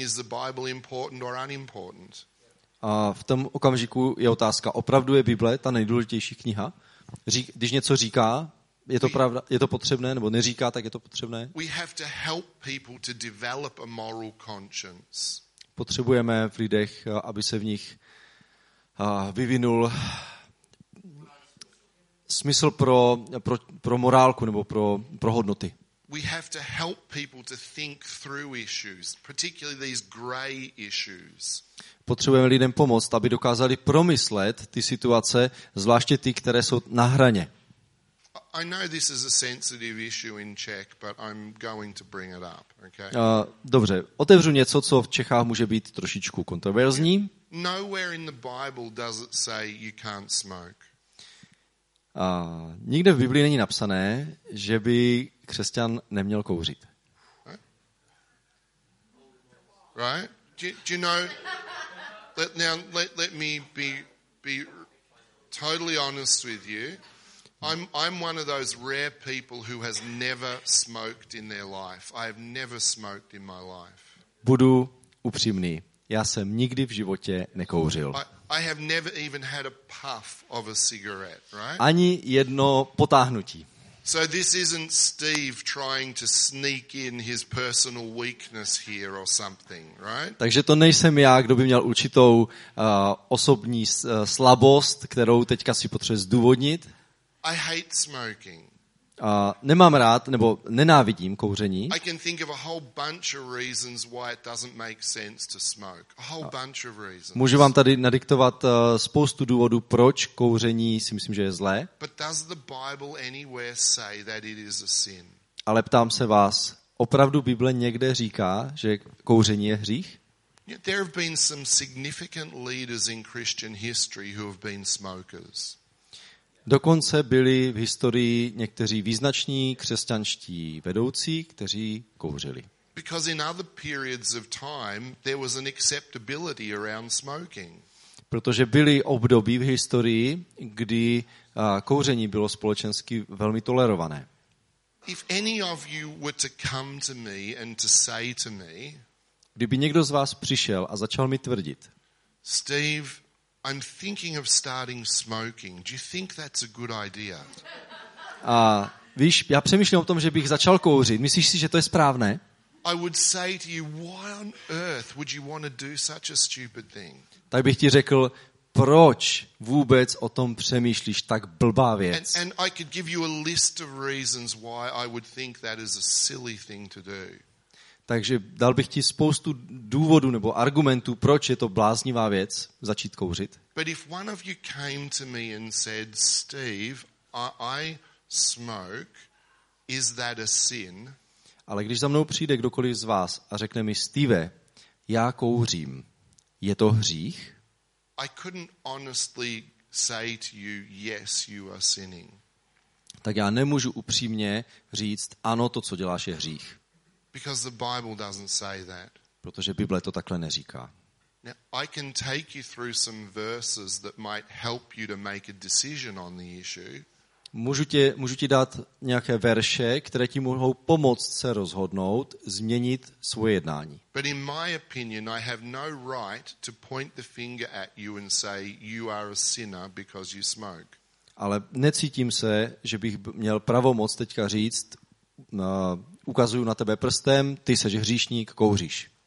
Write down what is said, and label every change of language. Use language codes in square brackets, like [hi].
[en] Is the Bible important or unimportant? [cs] A v tom okamžiku je otázka, opravdu je Bible ta nejdůležitější kniha? Když něco říká, je to pravda, je to potřebné, nebo neříká, tak je to potřebné. [en] We have to help people to develop a moral conscience. [cs] Potřebujeme v lidech, aby se v nich vyvinul smysl pro morálku nebo pro hodnoty. [en] We have to help people to think through issues, particularly these gray issues. [cs] Potřebujeme lidem pomoct, aby dokázali promyslet ty situace, zvláště ty, které jsou na hraně. [en] I know this is a sensitive issue in Czech, but I'm going to bring it up, okay? [cs] Dobře, otevřu něco, co v Čechách může být trošičku kontroverzní. [en] Nowhere in the Bible does it say you can't smoke. [cs] Nikde v Biblii není napsané, že by křesťan neměl kouřit. [en] Right? Do you know? Let me be totally honest with you. I'm one of those rare people who has never smoked in their life. I have never smoked in my life. [cs] Budu upřímný. Já jsem nikdy v životě nekouřil. [en] I have never even had a puff of a cigarette, right? [cs] Ani jedno potáhnutí. [en] So this isn't Steve trying to sneak in his personal weakness here or something, right? [cs] Takže to nejsem já, kdo by měl určitou osobní slabost, kterou teďka si potřebuje zdůvodnit. [en] I hate smoking. [cs] Nemám rád, nebo nenávidím kouření. [en] I can think of a whole bunch of reasons why it doesn't make sense to smoke. A whole bunch of reasons. [cs] Můžu vám tady nadiktovat spoustu důvodů, proč kouření si myslím, že je zlé. [en] But does the Bible anywhere say that it is a sin? [cs] Ale ptám se vás, opravdu Bible někde říká, že kouření je hřích? [en] There have been some significant leaders in Christian history who have been smokers. [cs] Dokonce byli v historii někteří význační křesťanští vedoucí, kteří kouřili. [en] Because in other periods of time there was an acceptability around smoking. [cs] Protože byly období v historii, kdy kouření bylo společensky velmi tolerované. [en] If any of you were to come to me and to say to me, [cs] kdyby někdo z vás přišel a začal mi tvrdit, [en] Steve, I'm thinking of starting smoking. Do you think that's a good idea? [cs] A víš, já přemýšlím o tom, že bych začal kouřit. Myslíš si, že to je správné? [en] I would say to you, why on earth would you want to do such a stupid thing? [cs] Tak bych ti řekl, proč vůbec o tom přemýšlíš, tak blbá věc. [en] And I could give you a list of reasons why I would think that is a silly thing to do. [cs] Takže dal bych ti spoustu důvodů nebo argumentů, proč je to bláznivá věc začít kouřit. [en] But if one of you came to me and said, Steve, I smoke, is that a sin? [cs] Ale když za mnou přijde kdokoliv z vás a řekne mi, Steve, já kouřím, je to hřích? [en] I couldn't honestly say to you, yes, you are sinning. [cs] Tak já nemůžu upřímně říct, ano, to, co děláš, je hřích. [en] Because the Bible doesn't say that. [cs] Protože Bible to takhle neříká. [en] Now, I can take you through some verses that might help you to make a decision on the issue. [cs] Můžu ti dát nějaké verše, které ti mohou pomoct se rozhodnout, změnit svoje jednání. [en] But in my opinion, I have no right to point the finger at you and say you are a sinner because you smoke. [cs] Ale necítím se, že bych měl pravomoc teďka říct, ukazuju na tebe prstem, ty seš hříšník, kouříš.